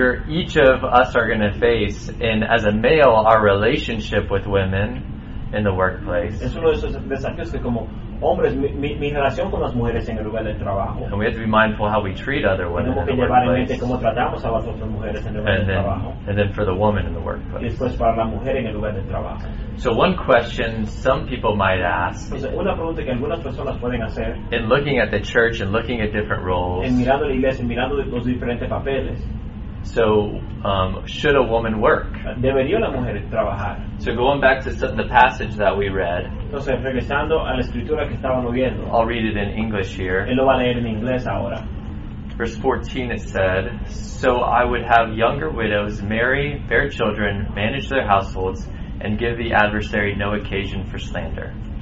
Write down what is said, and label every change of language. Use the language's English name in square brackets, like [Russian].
[English] each of us are going to face, and as a male, our relationship with women in the workplace. [Spanish] Es uno de esos desafíos que como hombres, mi relación con las mujeres en el lugar del trabajo. [English] And we have to be mindful how we treat other women. [Spanish] Tenemos que llevar en mente cómo tratamos a las otras mujeres en el lugar del trabajo. [English] And then for the woman in the workplace. [Spanish] Y después para la mujer en el lugar del trabajo. [English] So one question some people might ask. [Spanish] Entonces una pregunta que algunas personas pueden hacer. [English] In looking at the church and looking at different roles. [Spanish] En mirando la iglesia, mirando los diferentes papeles. [English] So, should a woman work? [Spanish] ¿Debería la mujer trabajar? [English] So going back to the passage that we read, [Spanish] entonces, regresando a la escritura que estábamos viendo, [English] I'll read it in English here. [Spanish] Él lo va a leer en inglés ahora. [English] Verse 14, it said, "So I would have younger widows marry, bear children, manage their households, and give the adversary no occasion for slander."